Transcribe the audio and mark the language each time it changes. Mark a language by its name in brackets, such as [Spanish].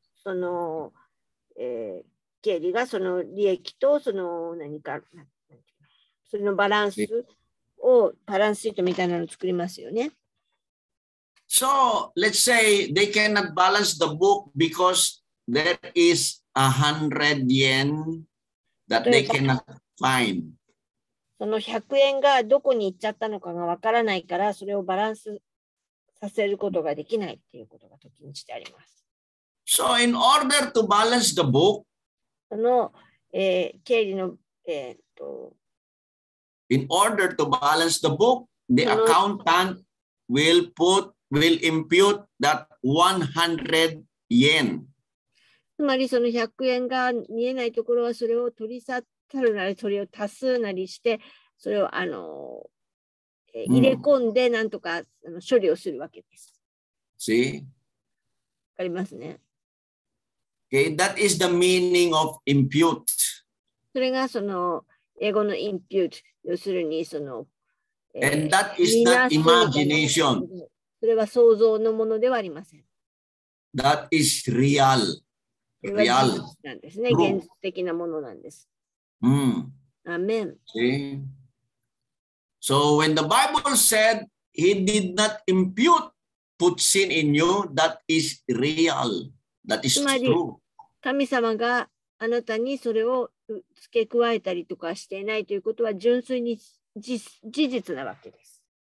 [Japanese] その経理がその利益とその何か、それのバランスをバランスシートみたいなのを作りますよね。 [English] So, let's say they cannot balance the book because there is 100 yen that they cannot find. [Japanese] その100円がどこに行っちゃったのかがわからないから、それをバランスさせることができないっていうことが時にしてあります。 [English] So in order to balance the book, [Japanese] その、経理の、 [English] in order to balance the book, the accountant will impute that 100 yen. [Japanese] つまりその100円が見えないところはそれを取り去るなり、それを足すなりして、それを入れ込んでなんとか処理をするわけです。 [English] See? [Japanese] わかりますね。 [English] Okay, that is the meaning of impute. [Japanese] それがその英語の impute、要するにその。 [English] And that is not imagination. [Japanese] それは想像のものではありません。 [English] That is real. Real. [Japanese] なんですね。現実的なものなんです。 [English] Amen. See? So when the Bible said he did not impute, put sin in you, that is real. That is true. [Japanese] 神様があなたにそれを付け加えたりとかしていないということは純粋に事実なわけです。